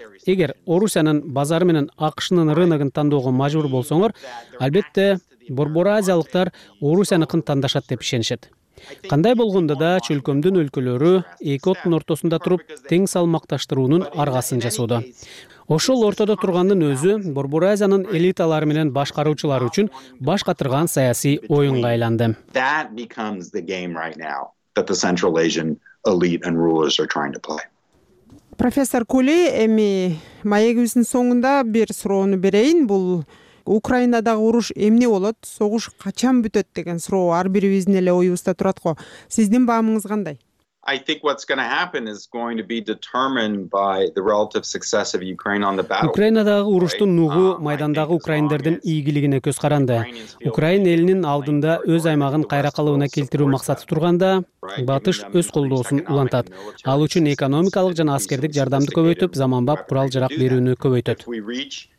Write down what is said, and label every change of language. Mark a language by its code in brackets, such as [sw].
[ky] Эгер Орусиянын базары менен АКШнын рыногун тандоого мажбур болсоңор, албетте Борбору Азиялыктар Орусиянын тандашат деп ишенишет. Кандай болгондо да чөлкөмдүн өлкөлөрү эки оттун ортосунда туруп тең салмакташтыруунун аргасын жасоодо. Ошол ортодо тургандын өзү Борбору Азиянын элиталары менен башкаруучулары үчүн баш катырган саясий оюнга айланды. [en] That becomes the game right now that the Central Asian elite and rulers are trying to play. [ky] Профессор Кули, эми маегибиздин соңунда бир суроону берейин. Бул Украинадагы уруш эмне болот? Согуш качан бүтөт деген суроо ар бирибиздин эле оюбузда турат го. Сиздин баамыңыз кандай? [en] I think what's going to happen is going to be determined by the relative success of Ukraine on the battlefield. [ky] Украинадагы уруштун нугу майдандагы украиндердин ийгилигине көз каранды. Украин элинин алдында өз аймагын кайра калыбына келтирүү максаты турганда, батыш өз колдоосун улантат. Ал үчүн экономикалык жана аскердик жардамды көбөйтүп, заманбап курал-жарак берүүнү көбөйтөт.